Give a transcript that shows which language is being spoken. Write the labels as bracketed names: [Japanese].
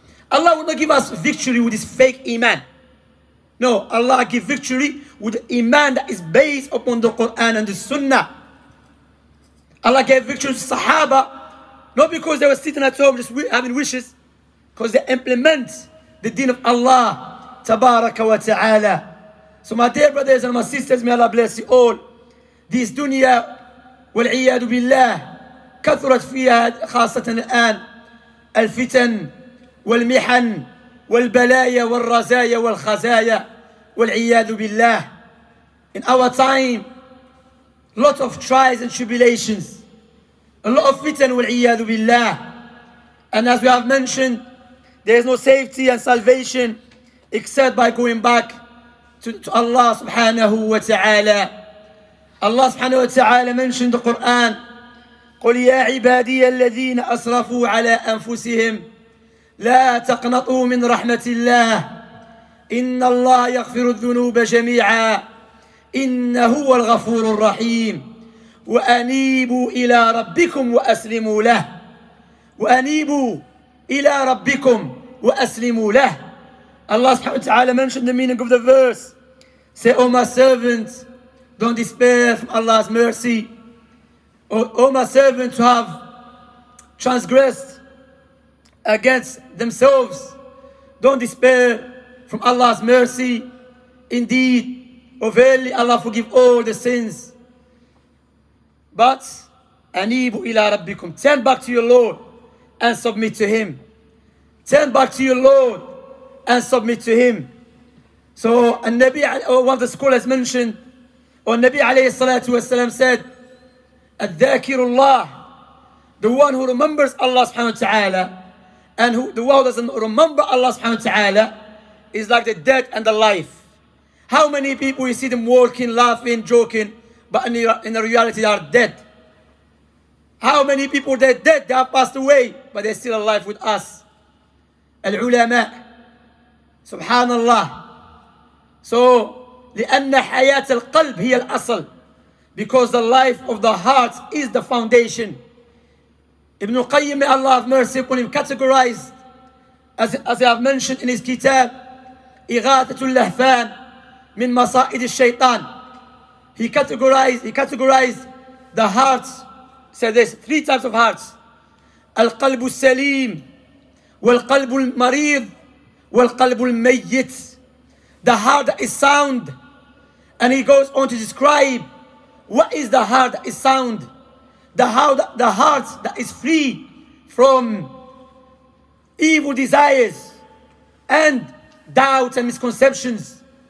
[English] Allah will not give us victory with this fake iman. No, Allah give victory with the iman that is based upon the Quran and the Sunnah. Allah gave victory to Sahaba, not because they were sitting at home just having wishes, because they implement the deen of Allah, Tabaraka wa Ta'ala. So my dear brothers and my sisters, may Allah bless you all. This dunya, [Arabic] wal-iyadu billah, كثرت فيها خاصة الآن الفتن والمحن والبلايا والرزايا والخزايا والعياذ بالله. [English] In our time, lot of trials and tribulations, a lot of fitan [Arabic] والعياذ بالله. [English] And as we have mentioned, there is no safety and salvation except by going back to Allah subhanahu wa ta'ala. Allah subhanahu wa ta'ala mentioned the Quran, [Arabic] قُلْ يَا عِبَادِيَ الَّذِينَ أَسْرَفُوا عَلَىٰ أَنفُسِهِمْ لَا تَقْنَطُوا مِنْ رَحْمَةِ اللَّهِ إِنَّ اللَّهَ يَغْفِرُ الذُّنُوبَ جَمِيعًا إِنَّهُ هُوَ الْغَفُورُ الرَّحِيمُ وَأَنِيبُوا إِلَىٰ رَبِّكُمْ وَأَسْلِمُوا لَهُ وَأَنِيبُوا إِلَىٰ رَبِّكُمْ وَأَسْلِمُوا لَهُ. [English] Allah subhanahu wa ta'ala mentioned the meaning of the verse. Say, O my servants, don't despair from Allah's mercy. O my servants who have transgressed against themselves, don't despair from Allah's mercy. Indeed, O verily, Allah forgive all the sins. But, anibu ila rabbikum, turn back to your Lord and submit to Him. Turn back to your Lord and submit to Him. So, Nabi, one of the scholars mentioned, or Nabi alayhi salatu wasalam said, Al-Dhakirullah, the one who remembers Allah subhanahu wa ta'ala, and who the world doesn't remember Allah subhanahu wa ta'ala, is like the dead and the life. How many people you see them walking, laughing, joking, but in the reality they are dead? How many people, they're dead, they have passed away, but they're still alive with us? Al-Ulama, subhanallah. [Arabic] So, لأن حياة القلب هي الأصل. [English] Because the life of the heart is the foundation. Ibn Qayyim, may Allah have mercy upon him, categorized, as I have mentioned in his kitab, [Arabic] إغاثة اللهفان من مصائد الشيطان. [English] he categorized the hearts, said this, three types of hearts. [Arabic] القلب السليم والقلب المريض والقلب الميت. [English] The heart that is sound. And he goes on to describe what is the heart that is sound. The heart that is free from evil desires and doubts and misconceptions.